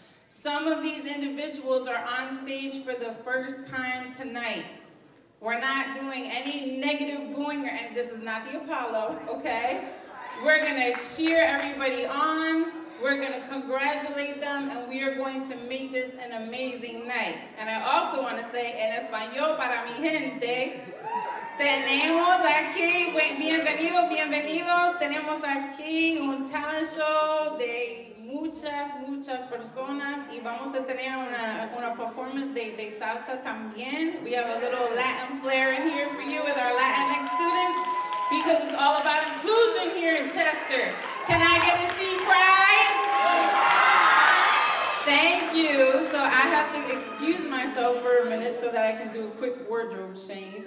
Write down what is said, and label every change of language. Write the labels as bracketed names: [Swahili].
[English] Some of these individuals are on stage for the first time tonight. We're not doing any negative booing, and this is not the Apollo, okay? We're gonna cheer everybody on. We're going to congratulate them, and we are going to make this an amazing night. And I also want to say, [Spanish] en español para mi gente, tenemos aquí, bienvenidos, tenemos aquí un talent show de muchas, muchas personas, y vamos a tener una performance de salsa también. [English] We have a little Latin flair in here for you with our Latinx students, because it's all about inclusion here in Chester. Can I get a seat, prize? Thank you. So I have to excuse myself for a minute so that I can do a quick wardrobe change.